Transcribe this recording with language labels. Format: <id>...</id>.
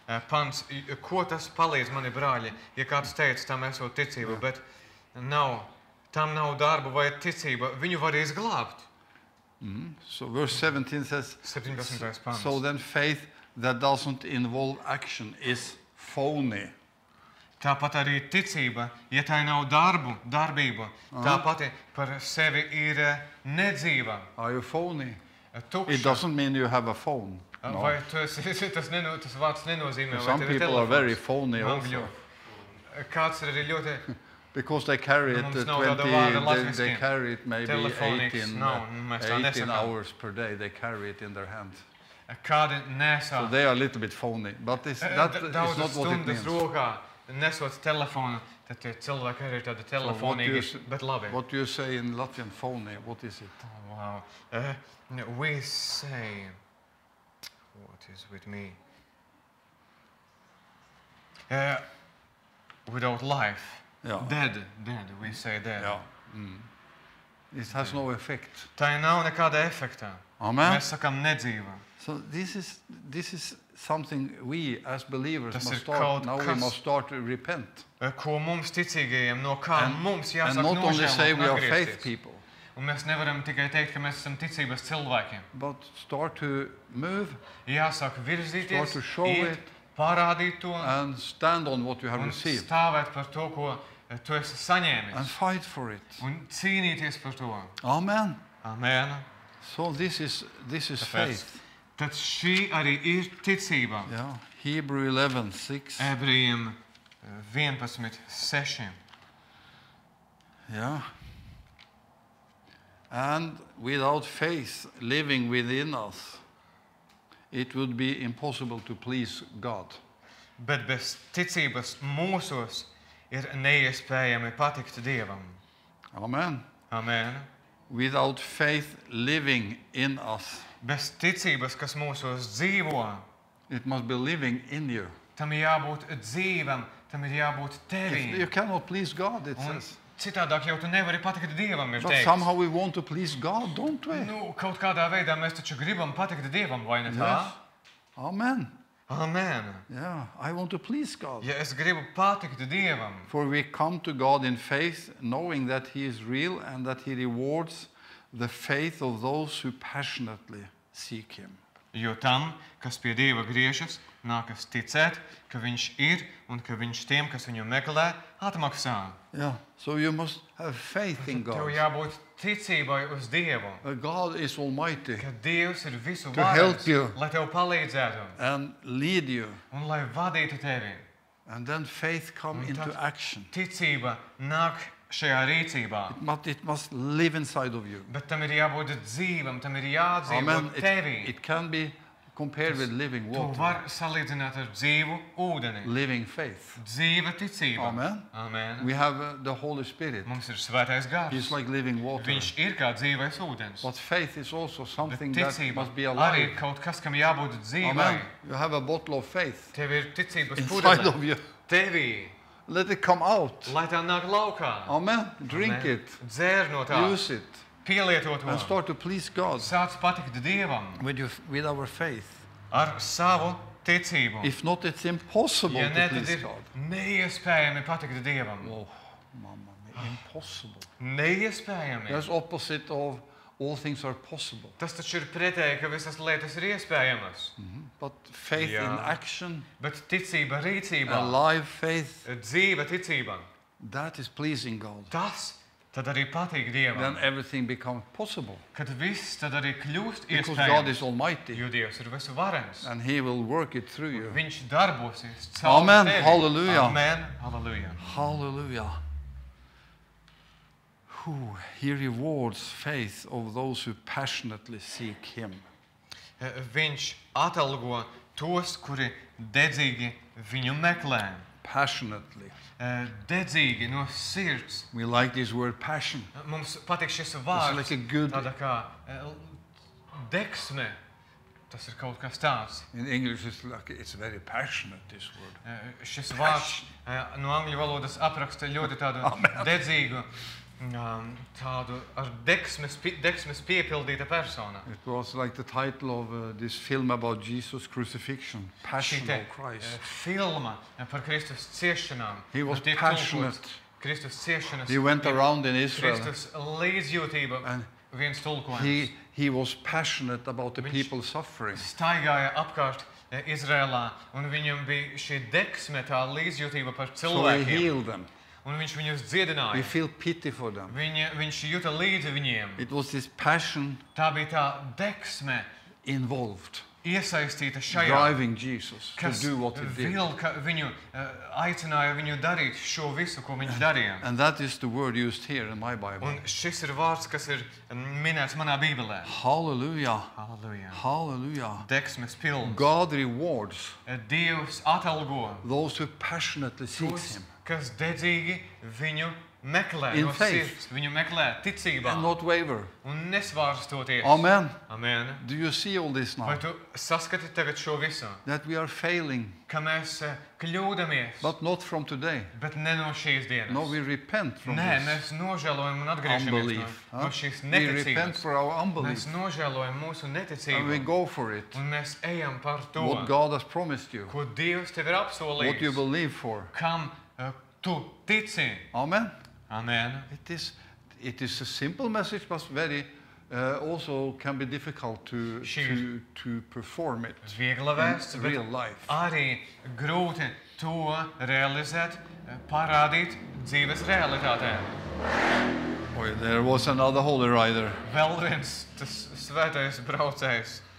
<lv>Pants, ko tas palīdz mani brāļi, ja kāds teica, tam esot ticība, bet nav, tam nav darba vai ticība, viņu var izglābt.</lv> <en>So verse 17 says</en> <lv>17. Pants.</lv> <en>So then faith that doesn't involve action is phony.</en> <lv>Tāpat arī ticība, ja tā nav darbu, darbība, tāpat par sevi ir nedzīva.</lv> <en>Are you phony?</en> <lv>Tukša.</lv> <en>It doesn't mean you have a phone. No.</en> <lv>Vai tu esi, tas vārds nenozīmē, vai tev ir</lv> <en>Some people are very phony also.</en> <lv>Kāds ir ļoti...</lv> <en>Because they carry it 20, they carry it maybe 18 hours per day, they carry it in their hands.</en> <lv>Kādi nesā.</lv> <en>So they are a little bit phony, but that is not what it means.</en> <lv>Rokā. Nesot telefonu, tad tie cilvēki arī ir tāda telefonīgi, so bet labi.</lv> <en>What do you say in Latvian phony? What is it? Oh, wow. We say, what is with me? Without life. Yeah. Dead, we say dead. Yeah. Mm. It has no effect.</en> <lv>Tā nav nekāda efekta.</lv> <en>Amen.</en> <lv>Mēs sakam nedzīva.</lv> <en>So this is something we as believers must start. Now we must start to repent.</en> <lv>Ko mums ticīgajiem, no kā mums jāsāk nožēlot.</lv> <en>And not only say we are faith people.</en> <lv>Un mēs nevaram tikai teikt, ka mēs esam ticības cilvēki.</lv> <en>But start to move.</en> <lv>Jāsāk virzīties.</lv> <en>Start to show it.</en> <lv>Parādīt to.</lv> <en>And stand on what you have received.</en> <lv>Un stāvēt par to, ko tu esi saņēmis.</lv> <en>And fight for it.</en> <lv>Un cīnīties par to.</lv> <en>Amen. Amen. So this is faith.</en> <lv>Tad šī arī ir ticība.</lv> <en>Yeah. Hebrew 11:6.</en> <lv>Ebrejiem 11:6.</lv> <en>Yeah. And without faith living within us, it would be impossible to please God.</en> <lv>Bet bez ticības mūsos ir neiespējami patikt Dievam.</lv> <en>Amen. Amen. Without faith living in us.</en> <lv>Bez ticības, kas mūsos dzīvo.</lv> <en>It must be living in you.</en> <lv>Tam ir jābūt dzīvam, tam ir jābūt tevī.</lv> <en>You cannot please God, it</en> <lv>un</lv> <en>says.</en> <lv>Citādāk jau tu nevari patikt Dievam, ir</lv> <en>But But somehow we want to please God, don't we?</en> <lv>Nu, kaut kādā veidā mēs taču gribam patikt Dievam, vai ne tā?</lv> <en>Yes. Amen. Amen. Yeah, I want to please God.</en> <lv>Ja es gribu patikt Dievam.</lv> <en>For we come to God in faith, knowing that he is real and that he rewards the faith of those who passionately seek him.</en> <lv>Jo tam, kas pie Dieva griežas, nākas ticēt, ka viņš ir un ka viņš tiem, kas viņu meklē, atmaksā.</lv> <en>Yeah, so you must have faith in God.</en> <lv>Tev jābūt ticībai uz Dievu.</lv> <en>God is almighty.</en> <lv>Ka Dievs ir visu</lv> <en>varas, to help you.</en> <lv>Lai tev palīdzētu.</lv> <en>And lead you.</en> <lv>Un lai vadītu tevi.</lv> <en>And then faith come into action.</en> <lv>Ticība nāk šajā rīcībā.</lv> <en>It must live inside of you.</en> <lv>Bet tam ir jābūt dzīvam, tam ir jādzīvot</lv> <en>Amen.</en> <lv>Tevi.</lv> <en>It can be compared with living water.</en> <lv>Tu var salīdzināt ar dzīvu ūdeni.</lv> <en>Living faith.</en> <lv>Dzīva ticība.</lv> <en>Amen. Amen. We have the Holy Spirit.</en> <lv>Mums ir svētais gars.</lv> <en>He's like living water.</en> <lv>Viņš ir kā dzīvais ūdens.</lv> <en>But faith is also something that must be alive.</en> <lv>Arī kaut kas, kam jābūt dzīvai.</lv> <en>Amen. You have a bottle of faith.</en> <lv>Tev ir ticības</lv> <en>pudele. Inside of you.</en> <lv>Tevī.</lv> <en>Let it come out.</en> <lv>Lai tā nāk laukā.</lv> <en>Amen. Drink it.</en> <lv>Dzēr no tā.</lv> <en>Use it.</en> <lv>Pielieto to.</lv> <en>And start to please God.</en> <lv>Sāc patikt Dievam.</lv> <en>With our faith.</en> <lv>Ar savu ticību.</lv> <en>If not, it's impossible to please God.</en> <lv>Neiespējami patikt Dievam.</lv> <en>Mamma, impossible.</en> <lv>Neiespējami.</lv> <en>That's opposite of all things are possible.</en> <lv>Tas taču ir pretēji, ka visas lietas ir iespējamas.</lv> <en>But faith in action.</en> <lv>Bet ticība rīcībā.</lv> <en>Alive faith.</en> <lv>Dzīva ticība.</lv> <en>That is pleasing God.</en> <lv>Tas tad arī patīk Dievam.</lv> <en>Then everything becomes possible.</en> <lv>Kad viss tad arī kļūst iespējams.</lv> <en>Because God is almighty.</en> <lv>Jo Dievs ir visvarens.</lv> <en>And he will work it through you.</en> <lv>Viņš darbosies caur tevi.</lv> <en>Amen. Hallelujah. Amen. Hallelujah. Hallelujah. He rewards faith of those who passionately seek him.</en> <lv>Viņš atalgo tos, kuri dedzīgi viņu meklē.</lv> <en>Passionately.</en> <lv>Dedzīgi, no sirds.</lv> <en>We like this word passion.</en> <lv>Mums patīk šis vārds.</lv> <en>It's like a good</en> <lv>tāda kā deksme. Tas ir kaut kas tāds.</lv> <en>In English it's like it's very passionate this word.</en> <lv>Šis vārds no angļu valodas apraksta ļoti tādu dedzīgu tādu ar deksmes piepildīta persona.</lv> <en>It was like the title of this film about Jesus' crucifixion. Passion of Christ.</en> <lv>Filma par Kristus ciešanām.</lv> <en>He was passionate.</en> <lv>Kristus ciešanas.</lv> <en>He went around in Israel.</en> <lv>Kristus līdzjūtība. Viens tulkojums.</lv> <en>He was passionate about the people suffering.</en> <lv>Staigāja apkārt Izraēlā un viņam bija šī deksme, tā līdzjūtība par cilvēkiem.</lv> <en>So he healed them.</en> <lv>Un viņš viņus dziedināja.</lv> <en>We feel pity for them.</en> <lv>Viņš jūta līdzi viņiem.</lv> <en>It was his passion.</en> <lv>Tā bija tā deksme.</lv> <en>Involved.</en> <lv>Iesaistīta šajā.</lv> <en>Driving Jesus to do what he did.</en> <lv>Vilka viņu, aicināja viņu darīt šo visu, ko viņš darīja.</lv> <en>And that is the word used here in my Bible.</en> <lv>Un šis ir vārds, kas ir minēts manā Bībelē.</lv> <en>Hallelujah. Hallelujah. Hallelujah.</en> <lv>Deksmes pilns.</lv> <en>God rewards.</en> <lv>Dievs atalgo.</lv> <en>Those who passionately seek him.</en> <lv>Kas dedzīgi viņu meklē</lv> <en>in</en> <lv>no</lv> <en>faith.</en> <lv>Sirds, viņu meklē ticībā.</lv> <en>And not waver.</en> <lv>Un nesvārstoties.</lv> <en>Amen. Amen. Do you see all this now?</en> <lv>Vai tu saskati tagad šo visu?</lv> <en>That we are failing.</en> <lv>Ka mēs kļūdamies.</lv> <en>But not from today.</en> <lv>Bet ne no šīs dienas.</lv> <en>No, we repent from</en> <lv>Nē, Nē, mēs nožēlojam un atgriežamies</lv> <en>unbelief,</en> <lv>no šīs neticības.</lv> <en>We repent for our unbelief.</en> <lv>Mēs nožēlojam mūsu neticību.</lv> <en>And we go for it.</en> <lv>Un mēs ejam par to.</lv> <en>What God has promised you.</en> <lv>Ko Dievs tev ir apsolījis.</lv> <en>What you believe for.</en> <lv>Kam tu tici.</lv> <en>Amen. Amen. It is a simple message, but very also can be difficult to perform it.</en> <lv>Viegla vēsts,</lv> <en>in real life.</en> <lv>Arī grūti to realizēt, parādīt dzīves realitātē.</lv> <en>Oy, there was another holy rider.</en> <lv>Vēl viens tas svētais braucējs.</lv>